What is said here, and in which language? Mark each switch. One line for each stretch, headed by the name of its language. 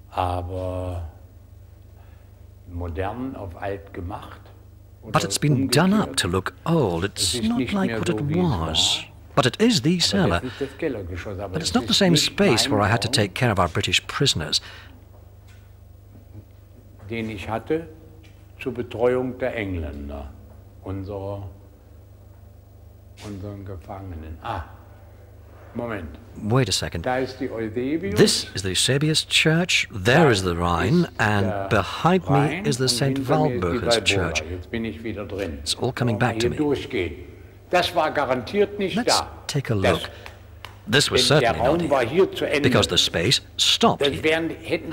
English: But it's been done up to look old. It's not like what it was. But it is the cellar. But it's not the same space where I had to take care of our British prisoners.
German: Den ich hatte zur Betreuung der Engländer, unseren Gefangenen. Ah. Moment.
English: Wait a second. This is the Eusebius Church, there is the Rhine, and behind me is the St. Walburgers Church. It's all coming back to me. Let's take a look. This was certainly not here, because the space stopped here.